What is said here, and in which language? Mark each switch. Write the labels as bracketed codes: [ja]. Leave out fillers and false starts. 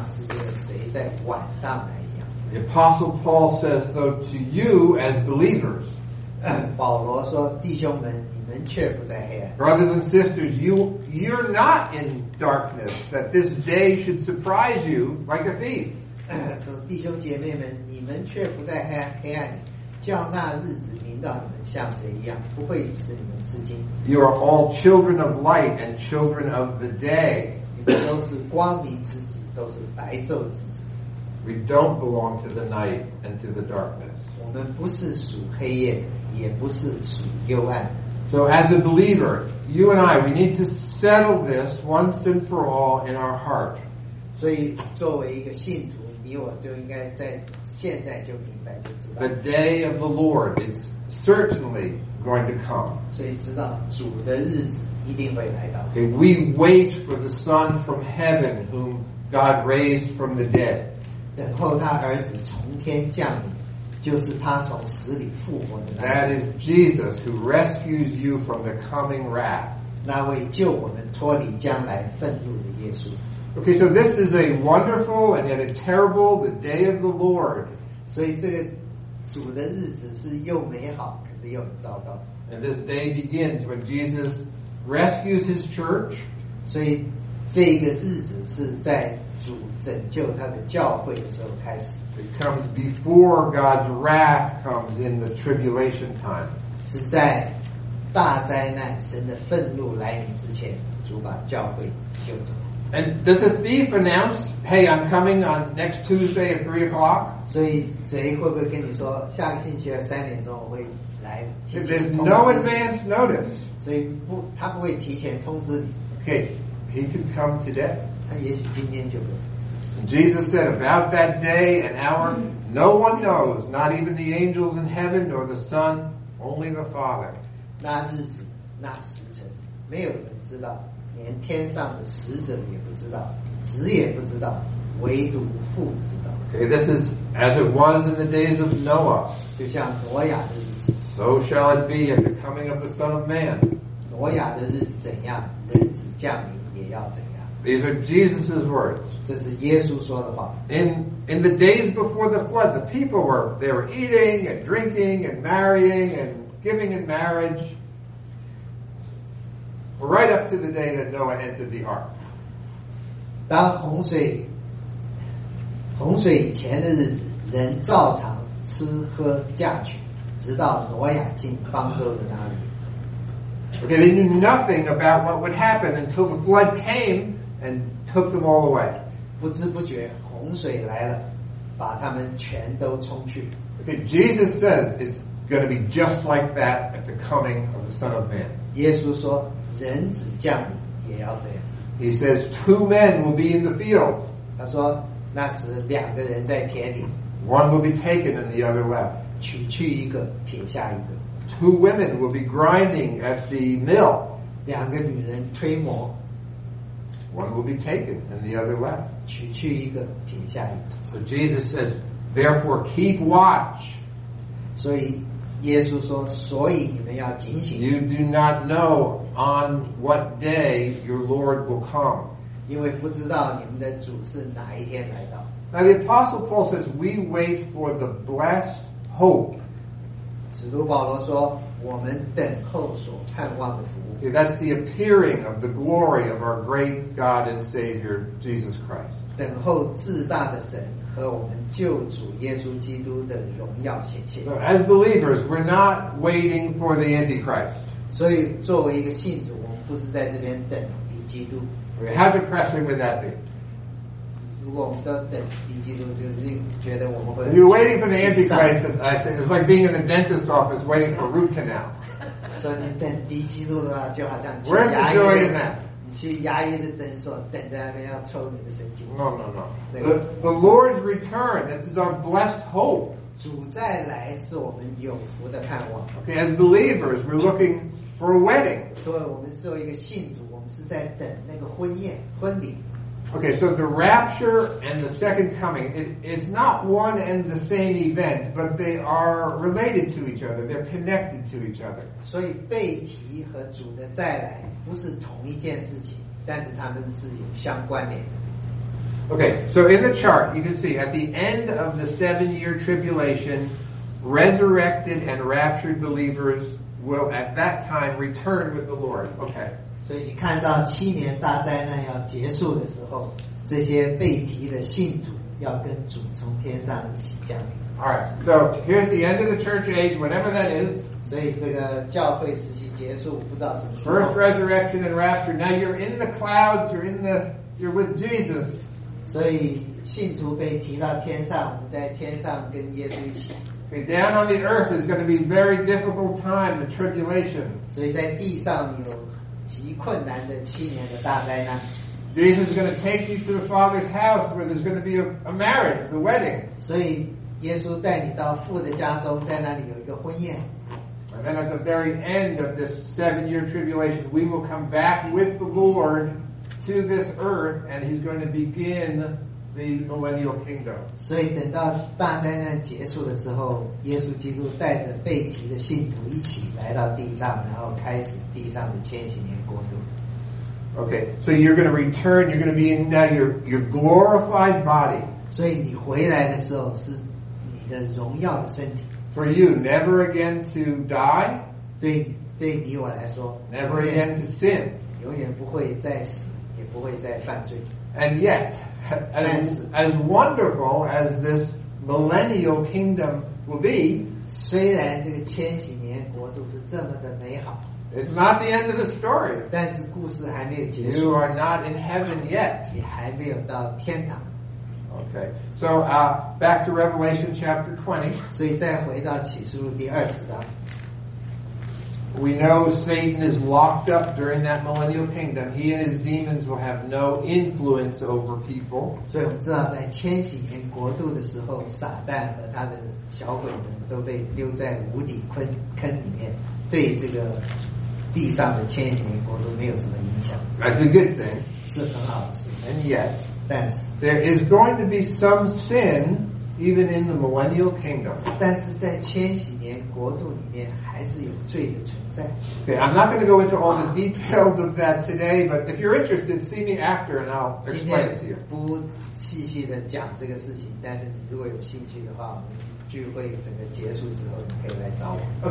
[zh] 所以对不信的人讲，他们在属灵的黑暗里面，就好像是这个贼在晚上来一样。 [en] The Apostle Paul says, though, to you as believers. [zh] 保罗说，弟兄们。 [en] Brothers and sisters, you're not in darkness that this day should surprise you like a thief. [zh] 弟兄姐妹们，你们却不在黑暗里，叫那日子临到你们像谁一样，不会使你们吃惊。 [en] You are all children of light and children of the day. [zh] 你们都是光明之子，都是白昼之子。 [en] We don't belong to the night and to the darkness. [zh] 我们不是属黑夜，也不是属幽暗。 [en] So as a believer, you and I, we need to settle this once and for all in our heart. [zh] 所以作为一个信徒，你我就应该在现在就明白，就知道。 [en] The day of the Lord is certainly going to come. [zh] 所以知道主的日子一定会来到。 [en] Okay, we wait for the Son from heaven whom God raised from the dead. [zh] 等候他儿子从天降临。就是他从死里复活的那位。 [en] That is Jesus who rescues you from the coming wrath. [zh] 那位救我们脱离将来愤怒的耶稣。 [en] Okay, so this is a wonderful and yet a terrible, the day of the Lord. [zh] 所以这个主的日子是又美好，可是又很糟糕。 [en] And this day begins when Jesus rescues his church. [zh] 所以这个日子是在主拯救他的教会的时候开始。 [en] It comes before God's wrath comes in the tribulation time. [zh] 是在大灾难神的愤怒来临之前，主把教会救走。 [en] And does a thief announce, "Hey, I'm coming on next Tuesday at 3 o'clock"? [zh] 所以贼会不会跟你说，下个星期二三点钟我会来？ [en] There's no advance notice. [zh] 所以不，他不会提前通知你。 [en] Okay, he could come today. [zh] 他也许今天就会。 [en] Jesus said about that day and hour, no one knows, not even the angels in heaven nor the Son, only the Father. [zh] 那日子，那时辰，没有人知道，连天上的使者也不知道，子也不知道，唯独父知道。 [en] Okay, this is as it was in the days of Noah. [zh] 就像挪亚的日子。 [en] So shall it be at the coming of the Son of Man. [zh] 挪亚的日子怎样，人子降临也要怎样。 [en] These are Jesus' words. [zh] 这是耶稣说的话。 [en] In the days before the flood, the people were eating and drinking and marrying and giving in marriage. Right up to the day that Noah entered the ark. [zh] 当洪水以前的日子，人照常吃喝嫁娶，直到挪亚进方舟的那日。 [en] Okay, they knew nothing about what would happen until the flood came. And took them all away. [zh] 不知不觉洪水来了，把他们全都冲去。 [en] Okay, Jesus says it's going to be just like that at the coming of the Son of Man. [zh] 耶稣说，人子降临也要这样。 [en] He says two men will be in the field. [zh] 他说，那时两个人在田里。 [en] One will be taken and the other left. [zh] 取去一个，撇下一个。 [en] Two women will be grinding at the mill. [zh] 两个女人推磨。 [en] One will be taken and the other left. [zh] 取去一个，撇下一个。 [en] So Jesus says, therefore keep watch. [zh] 所以耶稣说，所以你们要警醒。 [en] You do not know on what day your Lord will come. [zh] 因为不知道你们的主是哪一天来到。 [en] Now the Apostle Paul says, we wait for the blessed hope. [zh] 使徒保罗说，我们等候所盼望的福音。 [en] Okay, that's the appearing of the glory of our great God and Savior, Jesus Christ. [zh] 等候至大的神和我们救主耶稣基督的荣耀显现。 [en] So as believers, we're not waiting for the Antichrist. [zh] 所以作为一个信徒，我们不是在这边等敌基督。 [en] Okay, how depressing would that be? [zh] 如果我们说等敌基督，就是觉得我们会。 [en] You're waiting for the Antichrist, as I say, it's like being in the dentist office waiting for root canal. [zh] 所以你等敌基督的话，就好像去牙医的，你去牙医的诊所等在那边要抽你的神经。 [en] No. The Lord's return, this is our blessed hope. [zh] 主再来是我们有福的盼望。 [en] Okay, as believers, we're looking for a wedding. [zh] 所以我们作为一个信徒，我们是在等那个婚宴、婚礼。 [en] Okay, so the rapture and the second coming, it's not one and the same event, but they are related to each other. They're connected to each other. [zh] 所以被提和主的再来不是同一件事情，但是他们是有相关联的。 [en] Okay, so in the chart, you can see at the end of the 7-year tribulation, resurrected and raptured believers will at that time return with the Lord. Okay. [zh] 所以你看到七年大灾难要结束的时候，这些被提的信徒要跟主从天上一起降临。 [en] Alright, so here's the end of the church age, whatever that is. [zh] 所以这个教会时期结束，不知道什么时候。 [en] First resurrection and rapture. Now you're in the clouds. You're with Jesus. [zh] 所以信徒被提到天上，我们在天上跟耶稣一起。 [en] Okay, down on the earth is going to be a very difficult time, the tribulation. [zh] 所以在地上有极困难的七年的大灾难。 [en] Jesus is going to take you to the Father's house where there's going to be a marriage, the wedding. [zh] 所以耶稣带你到父的家中，在那里有一个婚宴。 [en] And then at the very end of this seven-year tribulation, we will come back with the Lord to this earth, and He's going to begin the millennial kingdom. [zh] 所以等到大灾难结束的时候，耶稣基督带着被提的信徒一起来到地上，然后开始地上的千禧年国度。 [en] Okay, so you're going to return. You're going to be in now your glorified body. [zh] 所以你回来的时候是你的荣耀的身体。 [en] For you, never again to die. [zh] 对你我来说 [en] ，never again to sin. [zh] 永远不会再死，也不会再犯罪。 [en] And yet, as wonderful as this millennial kingdom will be, [zh] 虽然这个千禧年国度是这么的美好。 [en] It's not the end of the story. [zh] 但是故事还没有结束。 [en] You are not in heaven yet. [zh] 你还没有到天堂。 [en] Okay, so back to Revelation chapter 20. [zh] 所以再回到启示录第二十章。 [en] We know Satan is locked up during that millennial kingdom. He and his demons will have no influence over people. [zh] 所以我们知道，在千禧年国度的时候，撒旦和他的小鬼们都被丢在无底坑里面。对这个地上的千禧年国度没有什么影响。 [en] That's a good thing. [zh] 是很好的事。 [en] And yet, there is going to be some sin even in the millennial kingdom. [zh] 但是在千禧年国度里面还是有罪的存在。 [en] Okay, I'm not going to go into all the details of that today, but if you're interested, see me after and I'll explain it to you. [zh] 今天不细细的讲这个事情，但是你如果有兴趣的话，聚会整个结束之后，你可以来找我。